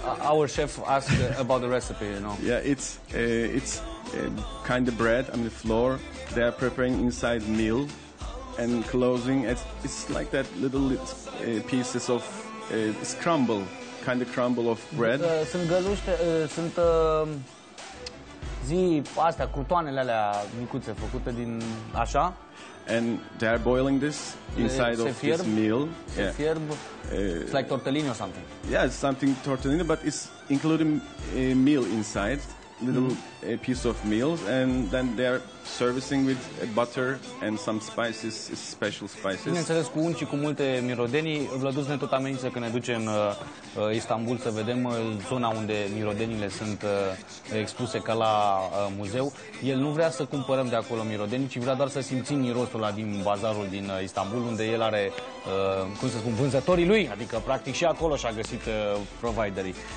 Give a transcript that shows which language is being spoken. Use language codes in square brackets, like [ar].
[en] Our chef asked about the recipe, you know. Yeah, it's kind of bread, I mean flour. They are preparing inside meal and closing. It's like that little pieces of crumble, kind of crumble of bread. [ro] Sunt găluște, sunt zi astea, crutoanele alea micuțe făcute din așa. [en] And they are boiling this inside of this meal. Yeah. It's like tortellini or something. Yeah, it's something tortellini, but it's including a meal inside, little a piece of meal, and then they are servicing with butter and some spices, special spices. [ro] Bineînțeles, cu unt și cu multe mirodenii. Vlăduț ne tot amenință că ne duce în Istanbul să vedem zona unde mirodenile sunt expuse ca la muzeu. El nu vrea să cumpărăm de acolo mirodenii, ci vrea doar să simțim mirosul ăla din bazarul din Istanbul, unde el are, cum să spun, vânzătorii lui, adică practic și acolo și-a găsit providerii.